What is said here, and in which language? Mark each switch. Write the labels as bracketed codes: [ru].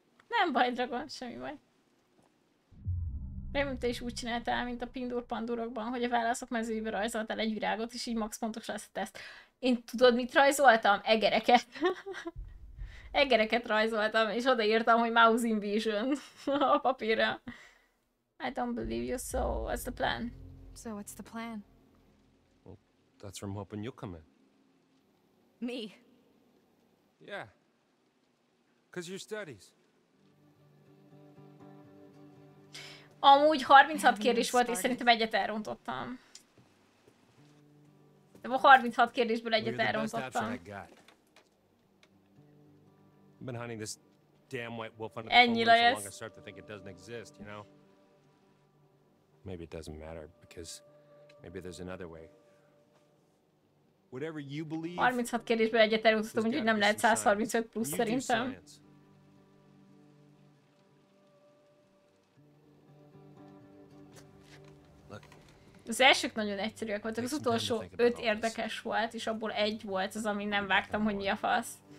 [hu] Nem baj, dragon, semmi baj. Remélem, te is úgy csináltál, mint a Pindur Pandurokban, hogy a válaszok mezőjébe rajzoltál egy virágot, és így max pontos lesz a teszt. Én tudod, mit rajzoltam? Egereket. Egereket rajzoltam, és odaírtam, hogy Mouse Invasion a papírra. [en] I don't believe you, so what's the plan? So what's the plan? Well, that's from hoping you'll come in. Me. Yeah. Cause your studies. [hu] Amúgy 36 kérdés volt, és szerintem egyet elrontottam. De a 36 kérdésből egyet elrontottam. [en] Been hunting this damn white wolf under the phone so long I start to think it doesn't exist, you know? Maybe it doesn't matter because maybe there's another way. Whatever you believe. [hu] 36 kérdésből egyet elrontottam, úgyhogy nem lehet 135 plusz szerintem. Az elsők nagyon egyszerűek voltak, az utolsó 5 érdekes volt, és abból egy volt az, ami nem vágtam, hogy mi a fasz.